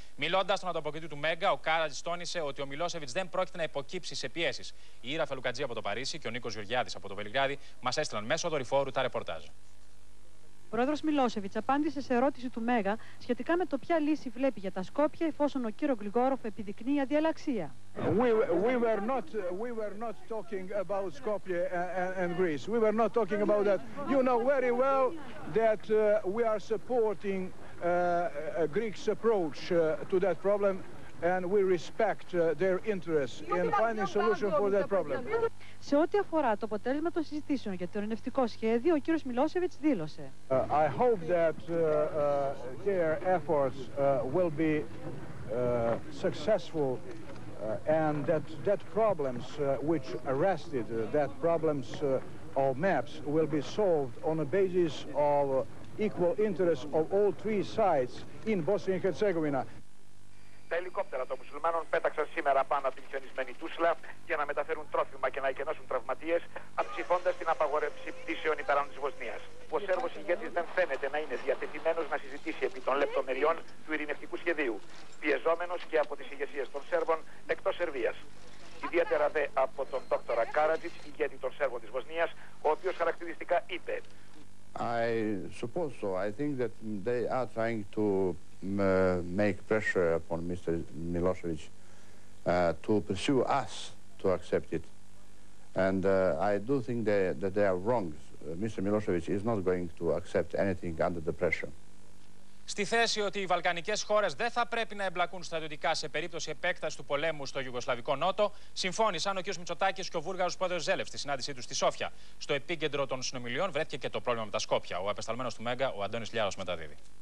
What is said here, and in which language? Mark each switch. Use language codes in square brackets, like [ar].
[el] Μιλώντας στον ανταποκριτή του Μέγκα, ο Κάραζης τόνισε ότι ο Μιλόσεβιτς δεν πρόκειται να υποκύψει σε πιέσεις. Η Ήρα Φελουκατζή από το Παρίσι και ο Νίκος Γεωργιάδης από το Βελιγράδι μας έστειλαν μέσω δορυφόρου τα ρεπορτάζ. Ο πρόεδρος Μιλόσεβιτς απάντησε σε ερώτηση του Μέγα σχετικά με το ποια λύση βλέπει για τα Σκόπια εφόσον ο κύριος Γκλιγόροφ επιδεικνύει αδιαλαξία. [en] We were not talking about Skopje and Greece. We were not talking about that. You know very well that we are supporting a Greek approach to that problem and we respect their interest in finding solution for that problem. [el] Σε ό,τι αφορά το αποτέλεσμα των συζητήσεων για το ειρηνευτικό σχέδιο, ο κύριος Μιλόσεβιτς δήλωσε. [en] I hope that their efforts will be successful and that problems which arrested that problems of maps will be solved on a basis of equal interest of all three sides in Bosnia and Herzegovina. [el] Τα ελικόπτερα των μουσουλμάνων πέταξαν σήμερα πάνω από την χιονισμένη Τούσλα για να μεταφέρουν τρόφιμα και να εκενώσουν τραυματίες, αψηφώντας την απαγόρευση πτήσεων υπεράνω της Βοσνίας. Ο Σέρβος ηγέτης δεν φαίνεται να είναι διατεθειμένος να συζητήσει επί των λεπτομεριών του ειρηνευτικού σχεδίου, πιεζόμενος και από τις ηγεσίες των Σέρβων εκτός Σερβίας. Ιδιαίτερα δε από τον Δ. Κάρατζιτς, ηγέτη των Σέρβων της Βοσνίας, ο οποίος χαρακτηριστικά είπε. [en] I suppose so. I think that they are trying to make pressure upon Mr. Milosevic to pursue us to accept it. And I do think that they are wrong. Mr. Milosevic is not going to accept anything under the pressure. [el] Στη θέση ότι οι βαλκανικές χώρες δεν θα πρέπει να εμπλακούν στρατιωτικά σε περίπτωση επέκτασης του πολέμου στο Ιουγκοσλαβικό Νότο, συμφώνησαν ο κ. Μητσοτάκης και ο Βούλγαρος πρόεδρος Ζέλεφ στη συνάντησή του στη Σόφια. Στο επίκεντρο των συνομιλιών βρέθηκε και το πρόβλημα με τα Σκόπια. Ο απεσταλμένος του Μέγκα, ο Αντώνης Λιάρος, μεταδίδει.